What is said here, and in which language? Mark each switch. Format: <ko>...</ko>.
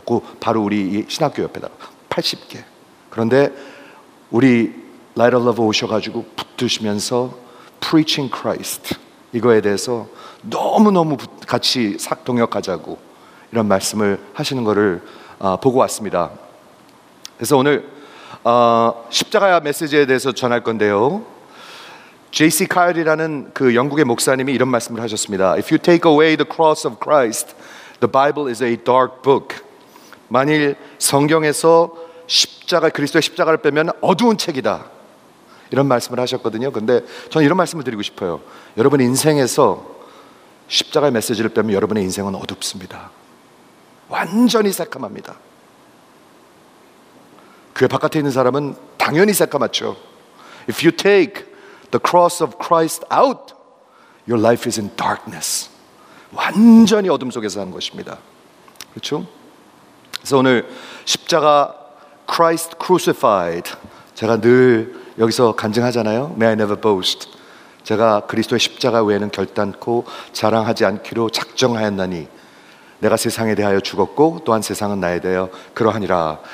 <ko>그 바로 우리 신학교 옆에다가 80개. 그런데 우리 Light of Love 오셔가지고 붙드시면서</ko> <en>Preaching Christ</en> <ko>이거에 대해서 너무너무 같이 동역하자고 이런 말씀을 하시는 거를 보고 왔습니다. 그래서 오늘 십자가야 메시지에 대해서 전할 건데요.</ko> <en>J.C.</en> <ko>Kyle이라는 그 영국의 목사님이 이런 말씀을 하셨습니다.</ko> <en>If you take away the cross of Christ, the Bible is a dark book.</en> <ko>만일 성경에서 십자가, 그리스도의 십자가를 빼면 어두운 책이다. 이런 말씀을 하셨거든요. 근데 저는 이런 말씀을 드리고 싶어요. 여러분 인생에서 십자가의 메시지를 빼면 여러분의 인생은 어둡습니다. 완전히 새까맣습니다. 교회 바깥에 있는 사람은 당연히 새까맣죠.</ko> <en>If you take the cross of Christ out, your life is in darkness.</en> <ko>완전히 어둠 속에서 사는 것입니다. 그렇죠? 그래서 오늘 십자가</ko> <en>Christ crucified.</en> <ko>제가 늘 여기서 간증하잖아요.</ko> <en>May I never boast.</en> <ko>제가 그리스도의 십자가 외에는 결단코 자랑하지 않기로 작정하였나니 내가 세상에 대하여 죽었고 또한 세상은 나에 대하여 그러하니라.</ko>